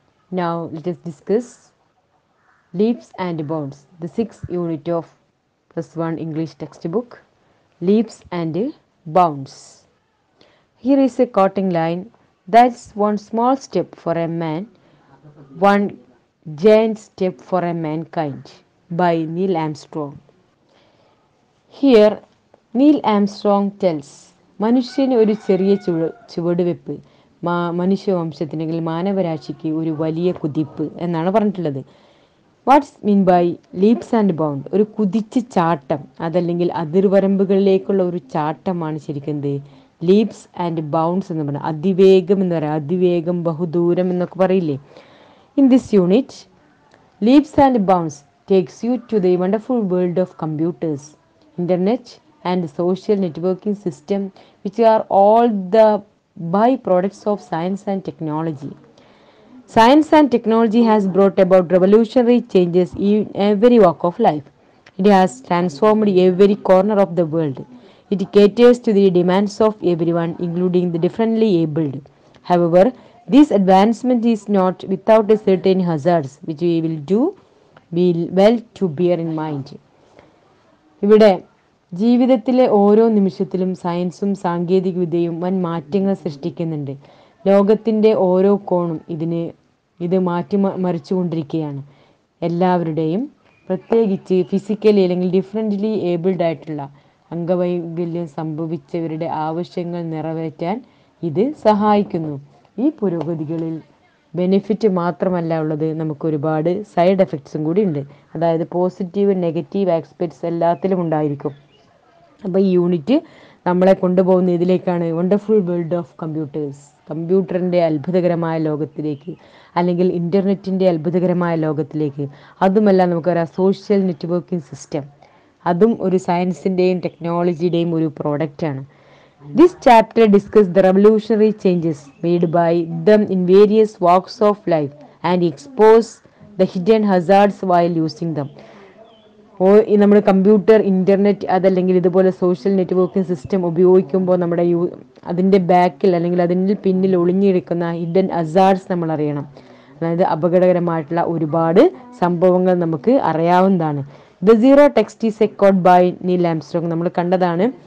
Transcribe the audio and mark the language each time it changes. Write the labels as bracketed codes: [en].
[en] Now let us discuss leaps and bounds, the sixth unit of plus one English textbook. Leaps and bounds. Here is a quoting line: that's one small step for a man, one giant step for a mankind, by Neil Armstrong. Here Neil Armstrong tells [ml] മനുഷ്യന് ഒരു ചെറിയ ചുവടുവെപ്പ് മനുഷ്യ വംശത്തിനെങ്കിൽ മാനവരാശിക്ക് ഒരു വലിയ കുതിപ്പ് എന്നാണ് പറഞ്ഞിട്ടുള്ളത്. [en] What's mean by leaps and bound? [ml] ഒരു കുതിച്ച് ചാട്ടം, അതല്ലെങ്കിൽ അതിർവരമ്പുകളിലേക്കുള്ള ഒരു ചാട്ടമാണ് ശരിക്കും എന്ത് ലീപ്സ് ആൻഡ് ബൗണ്ട്സ് എന്ന് പറഞ്ഞാൽ. അതിവേഗം എന്ന് പറയാം, അതിവേഗം, ബഹുദൂരം എന്നൊക്കെ പറയില്ലേ. [en] In this unit leaps and bounds takes you to the wonderful world of computers internet and social networking system, which are all the byproducts of science and technology. Science and technology has brought about revolutionary changes in every walk of life. It has transformed every corner of the world. It caters to the demands of everyone, including the differently abled. However, this advancement is not without a certain hazards, which we will do well to bear in mind. [ml] ഇവിടെ ജീവിതത്തിലെ ഓരോ നിമിഷത്തിലും സയൻസും സാങ്കേതികവിദ്യയും വൻ മാറ്റങ്ങൾ സൃഷ്ടിക്കുന്നുണ്ട്. ലോകത്തിൻ്റെ ഓരോ കോണും ഇത് മാറ്റി മറിച്ചുകൊണ്ടിരിക്കുകയാണ്. എല്ലാവരുടെയും, പ്രത്യേകിച്ച് ഫിസിക്കലി അല്ലെങ്കിൽ ഡിഫറൻ്റ്ലി ഏബിൾഡ് ആയിട്ടുള്ള അംഗവൈകല്യം സംഭവിച്ചവരുടെ ആവശ്യങ്ങൾ നിറവേറ്റാൻ ഇത് സഹായിക്കുന്നു. ഈ പുരോഗതികളിൽ ബെനിഫിറ്റ് മാത്രമല്ല ഉള്ളത്, നമുക്കൊരുപാട് സൈഡ് എഫക്ട്സും കൂടി ഉണ്ട്. അതായത് പോസിറ്റീവ് നെഗറ്റീവ് ആസ്പെക്ട്സ് എല്ലാത്തിലും ഉണ്ടായിരിക്കും. അപ്പോൾ ഈ യൂണിറ്റ് നമ്മളെ കൊണ്ടുപോകുന്ന ഇതിലേക്കാണ്, [en] wonderful world of computers, [ml] കമ്പ്യൂട്ടറിൻ്റെ അത്ഭുതകരമായ ലോകത്തിലേക്ക്, അല്ലെങ്കിൽ ഇൻ്റർനെറ്റിൻ്റെ അത്ഭുതകരമായ ലോകത്തിലേക്ക്. അതുമല്ല, നമുക്കറിയാം സോഷ്യൽ നെറ്റ്വർക്കിംഗ് സിസ്റ്റം, അതും ഒരു സയൻസിൻ്റെയും ടെക്നോളജിയുടെയും ഒരു പ്രോഡക്റ്റാണ്. [en] This chapter discusses the revolutionary changes made by them in various walks of life and expose the hidden hazards while using them. [ml] നമ്മുടെ കമ്പ്യൂട്ടർ, ഇൻ്റർനെറ്റ്, അതല്ലെങ്കിൽ ഇതുപോലെ സോഷ്യൽ നെറ്റ്വർക്കിംഗ് സിസ്റ്റം ഉപയോഗിക്കുമ്പോൾ നമ്മുടെ അതിൻ്റെ ബാക്കിൽ അല്ലെങ്കിൽ അതിൻ്റെ പിന്നിൽ ഒളിഞ്ഞിരിക്കുന്ന ഹിഡൻ ഹസാർഡ്സ് നമ്മൾ അറിയണം. അതായത് അപകടകരമായിട്ടുള്ള ഒരുപാട് സംഭവങ്ങൾ നമുക്ക് അറിയാവുന്നതാണ്. [en] the zero text is a quote by Neil Armstrong, [ml] നമ്മൾ കണ്ടതാണ്.